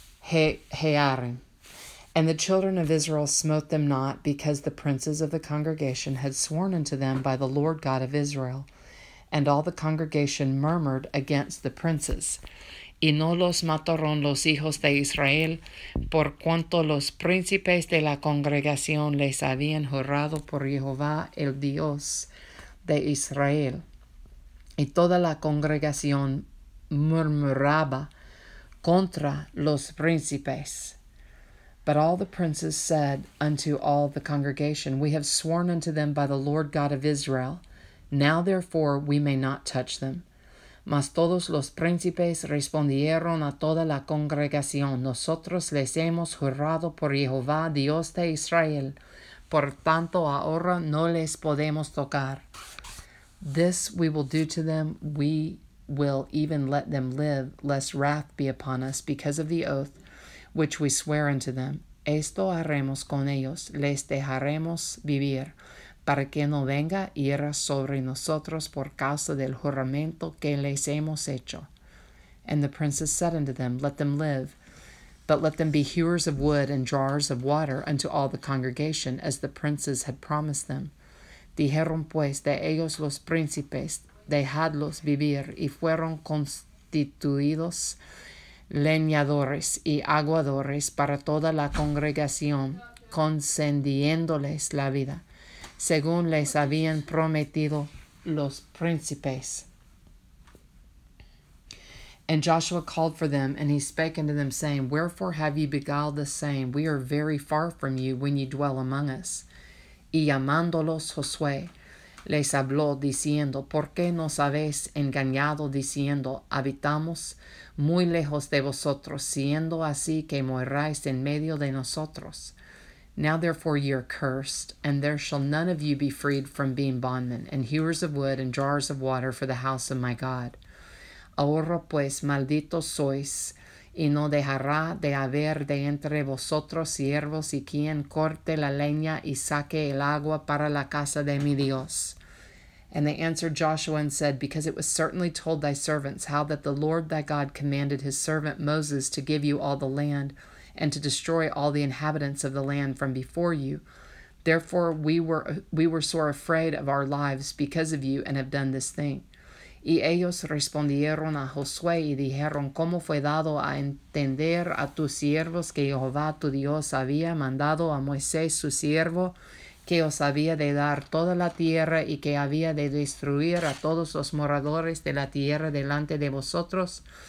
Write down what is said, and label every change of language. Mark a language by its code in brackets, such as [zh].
[en] And the children of Israel smote them not, because the princes of the congregation had sworn unto them by the Lord God of Israel. And all the congregation murmured against the princes. [es] Y no los mataron los hijos de Israel, por cuanto los príncipes de la congregación les habían jurado por Jehová, el Dios de Israel. Y toda la congregación murmuraba contra los príncipes. [en] But all the princes said unto all the congregation, We have sworn unto them by the Lord God of Israel. Now therefore we may not touch them. [es] Mas todos los príncipes respondieron a toda la congregación, Nosotros les hemos jurado por Jehová Dios de Israel. Por tanto ahora no les podemos tocar. [en] This we will do to them. We will even let them live, lest wrath be upon us because of the oath which we swear unto them. [es] Esto haremos con ellos, les dejaremos vivir, para que no venga ira sobre nosotros por causa del juramento que les hemos hecho. [en] And the princes said unto them, Let them live, but let them be hewers of wood and drawers of water unto all the congregation, as the princes had promised them. [es] Dijeron pues de ellos los príncipes, Dejadlos vivir, y fueron constituidos leñadores y aguadores para toda la congregación, concediéndoles la vida, según les habían prometido los príncipes. [en] And Joshua called for them, and he spake unto them, saying, Wherefore have ye beguiled the same? We are very far from you when ye dwell among us. [es] Y llamándolos Josué, les habló, diciendo, ¿Por qué nos habéis engañado, diciendo, habitamos muy lejos de vosotros, siendo así que moráis en medio de nosotros? [en] Now therefore ye are cursed, and there shall none of you be freed from being bondmen, and hewers of wood and drawers of water for the house of my God. [es] Ahora pues, malditos sois, y no dejará de haber de entre vosotros siervos y quien corte la leña y saque el agua para la casa de mi Dios. [en] And they answered Joshua and said, Because it was certainly told thy servants, how that the Lord thy God commanded his servant Moses to give you all the land, and to destroy all the inhabitants of the land from before you. Therefore we were sore afraid of our lives because of you, and have done this thing. [es] Y ellos respondieron a Josué y dijeron, ¿cómo fue dado a entender a tus siervos que Jehová tu Dios había mandado a Moisés su siervo, que os había de dar toda la tierra y que había de destruir a todos los moradores de la tierra delante de vosotros?